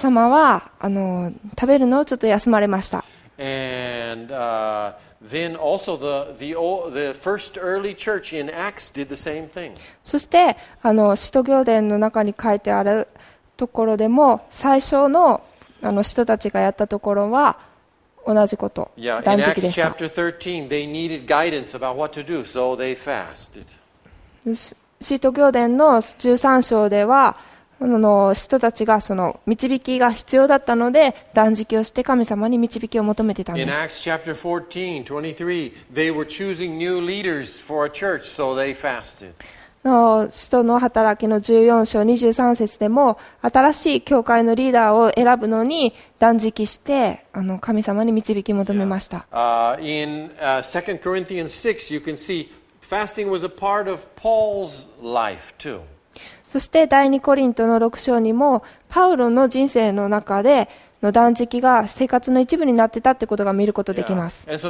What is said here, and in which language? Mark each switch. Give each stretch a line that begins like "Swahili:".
Japanese: 様は食べるのをちょっと休まれました。
English: Then also the first early church in Acts did the same thing.
Japanese: そして使徒行伝の中に書いてあるところでも、最初の使徒たちがやったところは同じこと、断食でした。
English: Yeah, in Acts chapter 13, they needed guidance about what to do, so they fasted.
Japanese: 使徒行伝の13章では人たちがその導きが必要だったので、断食をして神様に導きを求めてたんです。
English: In Acts chapter 14:23, they were choosing new leaders for a church, so they fasted.
Japanese: 使徒の働きの14章23節でも、新しい教会のリーダーを選ぶのに断食して神様に導きを求めました。
English: In 2 Corinthians 6, you can see fasting was a part of Paul's life too.
Japanese: そして第二コリントの6章にも、パウロの人生の中での断食が生活の一部になってたってことが見ることができます。